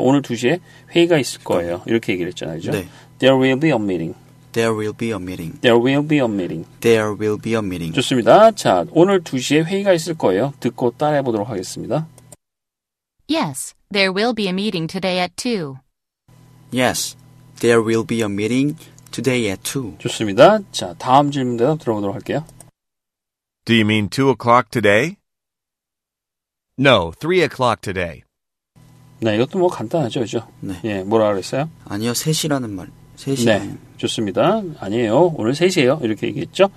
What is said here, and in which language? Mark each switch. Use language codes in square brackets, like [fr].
[ko] 오늘 2시에 회의가 있을 거예요. 이렇게 얘기를 했잖아요. 그렇죠? 네. [en] There will be a meeting. There will be a meeting. There will be a meeting. There will be a meeting. [ko] 좋습니다. 자, 오늘 2시에 회의가 있을 거예요. 듣고 따라해 보도록 하겠습니다. [en] Yes, there will be a meeting today at 2. Yes, there will be a meeting today at 2. [ko] 좋습니다. 자, 다음 질문 대답 들어보도록 할게요. [en] Do you mean 2 o'clock today? No, 3 o'clock today. [ko] 네, 이것도 뭐 간단하죠, 그죠? 네. 예, 뭐라 그랬어요? 아니요, 3시라는 말. 3시. 네, 좋습니다. 아니에요, 오늘 3시에요. 이렇게 얘기했죠?